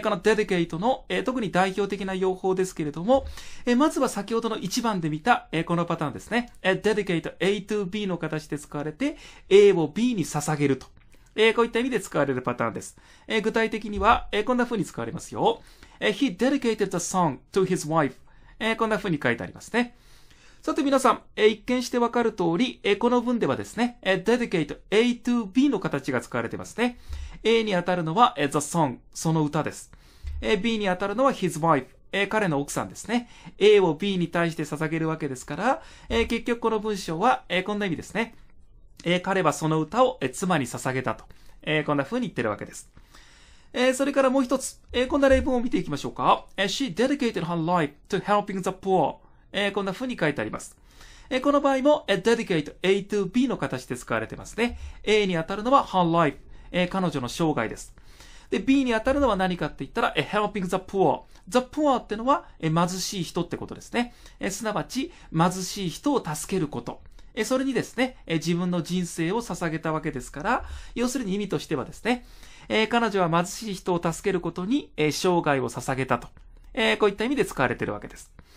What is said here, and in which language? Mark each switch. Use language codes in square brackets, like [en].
[ja] この dedicate の特に代表的な用法ですけれども、まずは先ほどの1番で見たこのパターンですね。 dedicate A to B の形で使われて A を B に捧げると。こういった意味で使われるパターンです。具体的にはこんな風に使われますよ。 [en] He dedicated the song to his wife。 [ja] こんな風に書いてありますね。さて皆さん、一見してわかる通り、この文ではですね、dedicate A to B の形が使われてますね。 A に当たるのは the song、その歌です。B に当たるのは his wife、彼の奥さんですね。 A を B に対して捧げるわけですから、結局この文章はこんな意味ですね。彼はその歌を妻に捧げたと。こんな風に言ってるわけです。それからもう一つ、こんな例文を見ていきましょうか。 [en] She dedicated her life to helping the poor。 [ja] こんな風に書いてあります。この場合も dedicate A to B の形で使われてますね。 A に当たるのは her life。彼女の生涯です。で、B に当たるのは何かって言ったら、helping the poor。the poor ってのは、貧しい人ってことですね。すなわち、貧しい人を助けること。それにですね、自分の人生を捧げたわけですから、要するに意味としてはですね、彼女は貧しい人を助けることに、生涯を捧げたと。こういった意味で使われているわけです。